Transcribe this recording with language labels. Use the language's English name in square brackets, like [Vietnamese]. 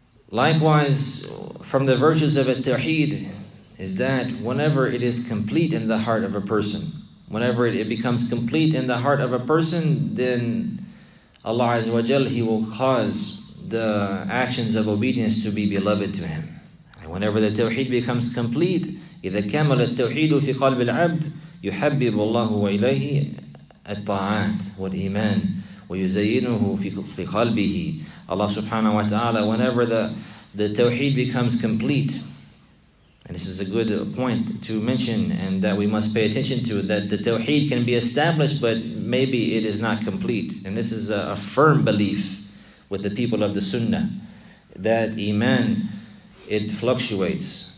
[English] Likewise, from the virtues of at-tawheed is that whenever it is complete in the heart of a person, whenever it becomes complete in the heart of a person, then Allah azza wa jalla, he will cause the actions of obedience to be beloved to him. And whenever the tawheed becomes complete, [Arabic] إِذَا كَمَلَ التَّوْحِيدُ فِي قَلْبِ الْعَبْدِ يُحَبِّبُ اللَّهُ وَإِلَيْهِ الطَّاعَاتِ وَالْإِيمَانِ وَيُزَيِّنُهُ فِي قَلْبِهِ. [English] Allah subhanahu wa ta'ala, whenever the tawheed becomes complete, and this is a good point to mention and that we must pay attention to, that the tawheed can be established but maybe it is not complete. And this is a firm belief with the people of the sunnah, that iman, it fluctuates.